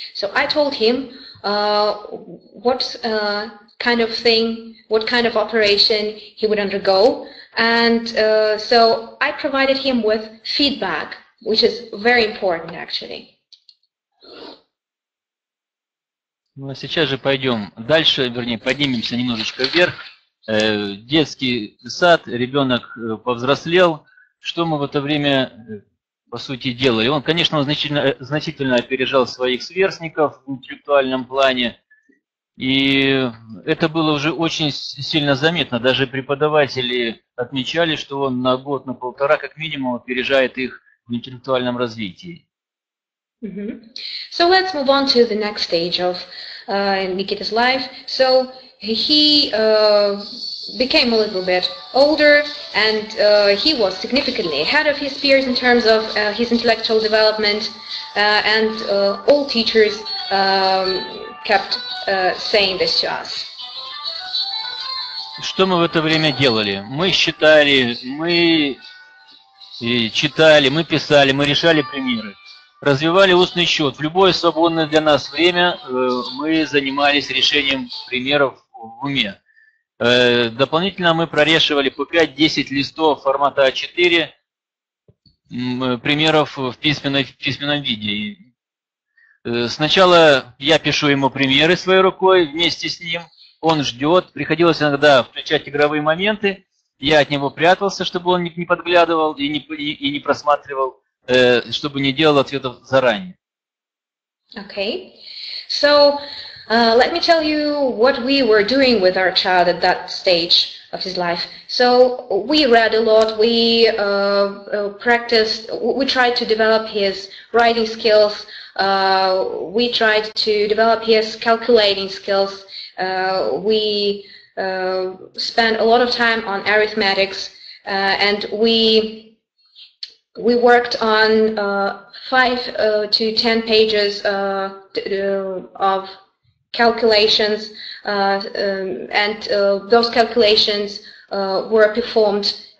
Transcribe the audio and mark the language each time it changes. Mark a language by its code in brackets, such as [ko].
[en] So I told him what kind of operation he would undergo, and so I provided him with feedback, which is very important, actually. [ru] Ну а сейчас же пойдем дальше, вернее, поднимемся немножечко вверх. Детский сад, ребенок повзрослел. Что мы в это время, по сути, делали? Он, конечно, значительно опережал своих сверстников в интеллектуальном плане. И это было уже очень сильно заметно. Даже преподаватели отмечали, что он на год, на полтора, как минимум, опережает их в интеллектуальном развитии. [en] Mm-hmm. So let's move on to the next stage of Nikita's life. So he became a little bit older, and he was significantly ahead of his peers in terms of his intellectual development, and all teachers kept saying this to us. [ru] Что мы в это время делали? Мы считали, мы читали, мы писали, мы решали примеры. Развивали устный счет. В любое свободное для нас время мы занимались решением примеров в уме. Дополнительно мы прорешивали по 5-10 листов формата А4 примеров в письменном виде. Сначала я пишу ему примеры своей рукой вместе с ним. Он ждет. Приходилось иногда включать игровые моменты. Я от него прятался, чтобы он не подглядывал и не просматривал. Чтобы не делал ответов заранее. [en] Okay. So, let me tell you what we were doing with our child at that stage of his life. So, we read a lot, we practiced, we tried to develop his writing skills, we tried to develop his calculating skills, we spent a lot of time on arithmetics, and we worked on 5 to 10 pages of calculations, and those calculations were performed